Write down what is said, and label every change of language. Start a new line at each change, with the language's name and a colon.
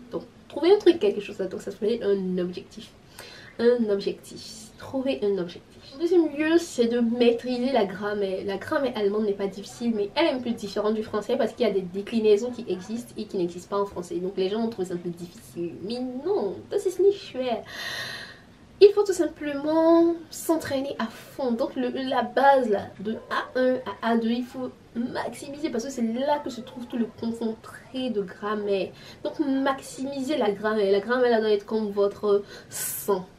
French: Donc, trouvez un truc, quelque chose là. Donc, ça serait un objectif. Un objectif. Trouvez un objectif. Le deuxième lieu, c'est de maîtriser la grammaire. La grammaire allemande n'est pas difficile, mais elle est un peu différente du français parce qu'il y a des déclinaisons qui existent et qui n'existent pas en français. Donc les gens ont trouvé ça un peu difficile. Mais non,
German: das ist nicht schwer.
French: Il faut tout simplement s'entraîner à fond. Donc la base là, de A1 à A2, il faut maximiser parce que c'est là que se trouve tout le concentré de grammaire. Donc maximisez la grammaire. La grammaire là, doit être comme votre sang.